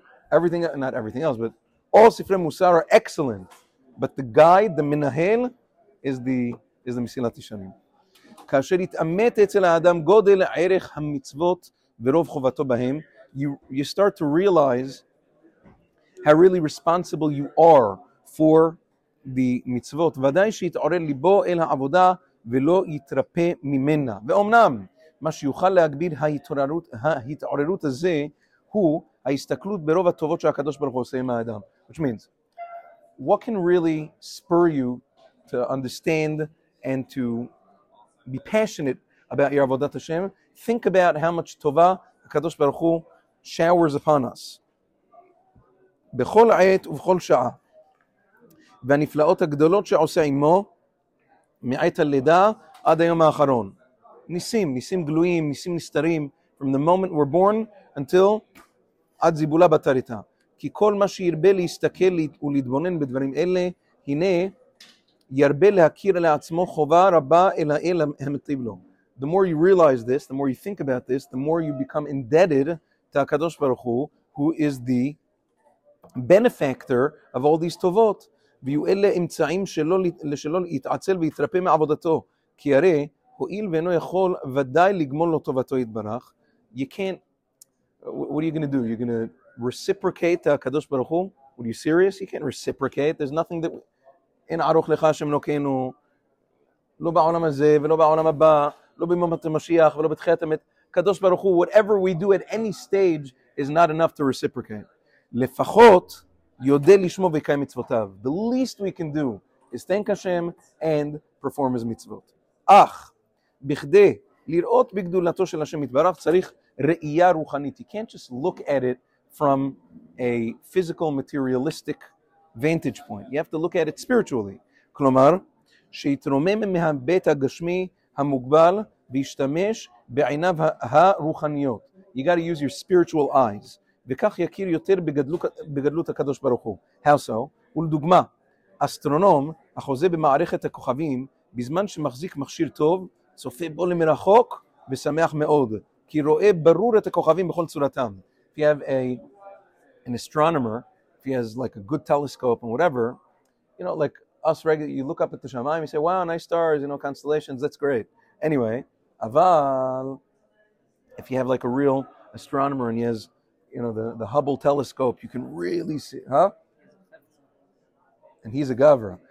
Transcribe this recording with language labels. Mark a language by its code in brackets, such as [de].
[en] Everything, not everything else, but all Sefer Musar are excellent, but the guide, the minahel, is the Mesilat Yesharim. [he] כאשר יתאמת אצל האדם גודל ערך המצוות ורוב חובתו בהם, [en] you start to realize how really responsible you are for the מצוות. [he] ודאי שיתעורר ליבו אל העבודה ולא יתרפא ממנה. ואומנם, מה שיוכל להגביר ההתעוררות הזה הוא ההסתכלות ברוב הטובות שהקדוש ברוך הוא עושה עם האדם. [en] Which means, what can really spur you to understand and to be passionate about your avodat Hashem? Think about how much tova HaKadosh Baruch Hu showers upon us. [he] בכל עת ובכל שעה. והנפלאות הגדולות שעושה עמו מעת הלידה עד היום האחרון. ניסים, ניסים גלויים, ניסים נסתרים, [en] from the moment we're born until [he] עד זיבולה בתריתה. כי כל מה שירבה להסתכל ולהתבונן בדברים אלה, הנה ירבה להכיר לעצמו חובה רבה אל האל המטיב לו. [en] The more you realize this, the more you think about this, the more you become indebted to HaKadosh Baruch Hu, who is the benefactor of all these טובות. [he] ויהיו אלה אמצעים שלא להתעצל ויתרפא מעבודתו. כי הרי, הואיל ואינו יכול ודאי לגמול לו טובתו יתברך, [en] you can't, what are you going to do? You're going to reciprocate to HaKadosh Baruch Hu? Are you serious? You can't reciprocate. There's nothing that... [he] אין ערוך לך השם אלוקינו, לא בעולם הזה ולא בעולם הבא, לא בממת המשיח ולא בתחיית המת. [en] קדוש ברוך הוא, whatever we do at any stage is not enough to reciprocate. [he] לפחות יודע לשמו ויקיים מצוותיו. [en] The least we can do is thank Hashem and perform his מצוות. [he] אך, בכדי לראות בגדולתו של השם יתברך, צריך ראייה רוחנית. [en] You can't just look at it from a physical materialistic vantage point. You have to look at it spiritually. [he] כלומר, שיתרומם מהבית הגשמי המוגבל וישתמש בעיניו הרוחניות. [en] You got to use your spiritual eyes. [he] וכך יכיר יותר בגדלות הקדוש ברוך הוא. [en] How so? [he] ולדוגמה, אסטרונום החוזה במערכת הכוכבים, בזמן שמחזיק מכשיר טוב, צופה בו למרחוק ושמח מאוד, כי רואה ברור את הכוכבים בכל צורתם. [en] If you have an astronomer, if he has like a good telescope and whatever, you know, like us regularly, you look up at the shamayim, you say, wow, nice stars, you know, constellations, that's great. Anyway, aval, if you have like a real astronomer and he has, you know, the Hubble telescope, you can really see, huh? And he's a gavra.